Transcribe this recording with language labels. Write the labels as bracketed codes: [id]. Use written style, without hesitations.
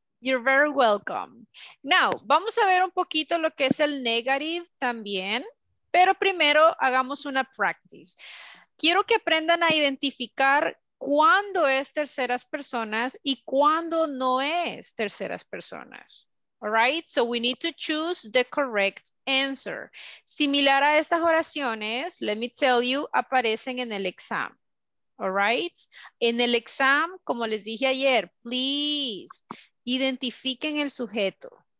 [en] You're very welcome. [es] Now, vamos a ver un poquito lo que es el negative también, pero primero hagamos una practice. Quiero que aprendan a identificar cuándo es terceras personas y cuándo no es terceras personas. [en] All right, so we need to choose the correct answer. [es] Similar a estas oraciones, [en] let me tell you, [es] aparecen en el exam. All right, en el exam, como les dije ayer, please, identifiquen el sujeto.